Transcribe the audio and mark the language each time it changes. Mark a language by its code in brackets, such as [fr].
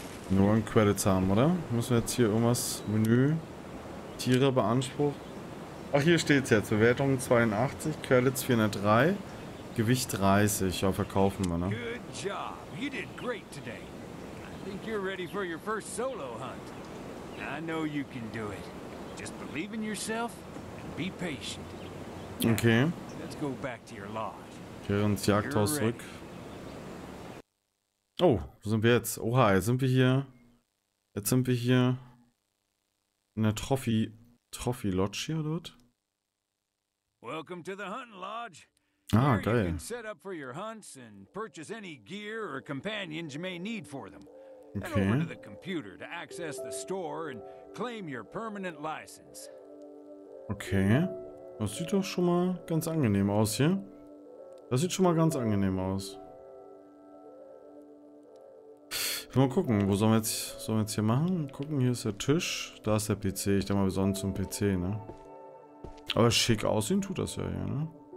[de] Nur ein Credits haben, oder? Müssen wir jetzt hier irgendwas Menü? Tiere beanspruchen. Ach, hier steht es jetzt. Bewertung 82, Credits 403. Gewicht 30, ja, verkaufen wir, ne? [en] Good job. You did great today. I think you're ready for your first solo hunt. I know you can do it. Just believe in yourself and be patient. Okay. Let's go back to your lodge. [de] Kehren ins Jagdhaus zurück. Oh, wo sind wir jetzt? Oha, jetzt sind wir hier. Jetzt sind wir hier in der Trophy Lodge hier dort. [en] Welcome to the hunting lodge. [de] Ah, geil. [en] You can set up for your hunts and purchase any gear or companions you may need for them. Okay. Head over to the computer to access the store and claim your permanent license. Okay. [de] Das sieht doch schon mal ganz angenehm aus hier. Das sieht schon mal ganz angenehm aus. Mal gucken, wo sollen wir jetzt hier machen? Gucken, hier ist der Tisch, da ist der PC. Ich denke mal, wir sollen zum PC, ne? Aber schick aussehen tut das ja hier, ne?